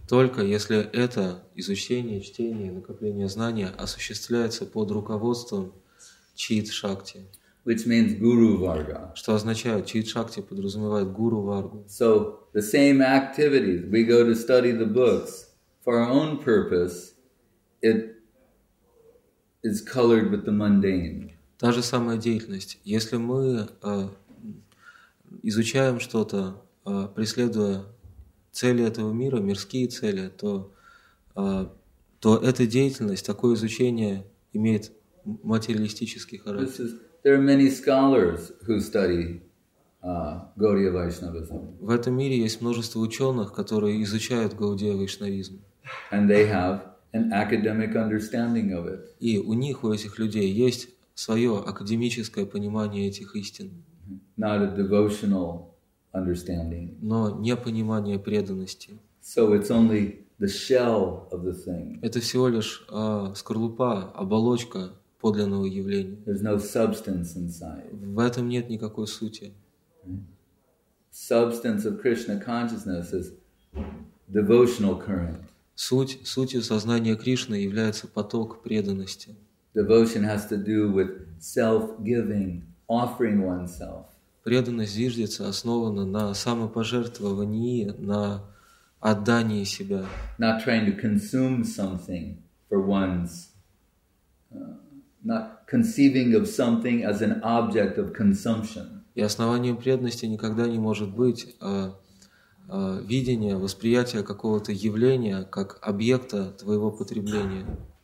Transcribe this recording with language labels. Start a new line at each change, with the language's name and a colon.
Russian: Только если это изучение, чтение, накопление знания осуществляется под руководством чит шакти.
English: Which means guru varga.
Russian: Что означает чит шакти, подразумевает гуру варгу.
English: So the same activities, we go to study the books for our own purpose, it is colored with the mundane.
Russian: Та же самая деятельность. Если мы изучаем что-то, преследуя цели этого мира, мирские цели, то то эта деятельность, такое изучение имеет материалистический характер.
English: There are many scholars who study Gaudiya Vaishnavism.
Russian: В этом мире есть множество ученых, которые изучают Гаудия Вайшнавизм.
English: And they have an academic understanding of it.
Russian: И у них, у этих людей, есть свое академическое понимание этих истин.
English: Not a devotional understanding.
Russian: Но не понимание преданности.
English: So it's only the shell of the thing.
Russian: Это всего лишь скорлупа, оболочка. Подлинного явления.
English: There's no substance inside.
Russian: В этом нет никакой сути.
English: Substance of Krishna consciousness is devotional current.
Russian: Сутью сознания Кришны является поток преданности.
English: Devotion has to do with self-giving, offering oneself.
Russian: Преданность зиждется, основана на самопожертвовании, на отдании себя.
English: Not trying to consume something for one's... not conceiving of something as an object of consumption.
Russian: И основанием преданности никогда не может быть видение, восприятие какого-то явления как объекта твоего потребления.